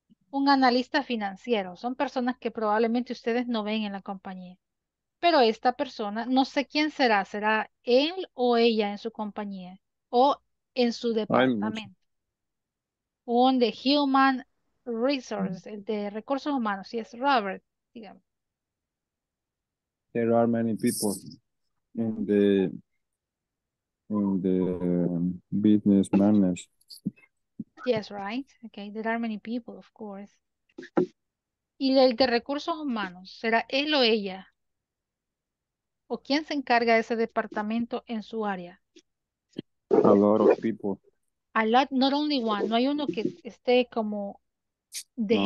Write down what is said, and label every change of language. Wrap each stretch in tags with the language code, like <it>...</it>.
<es>Un analista financiero. Son personas que probablemente ustedes no ven en la compañía. Pero esta persona, no sé quién será. ¿Será él o ella en su compañía? ¿O en su departamento? Un de Human Resources, el de Recursos Humanos. Y es Robert, dígame.</es> <en>There are many people in the business manage. Yes, right. Okay, there are many people, of course.</en> <es>Y el de Recursos Humanos, ¿será él o ella? ¿O quién se encarga de ese departamento en su área?</es> <en>A lot of people. A lot, not only one,</en> <es>no hay uno que esté como de no.</es>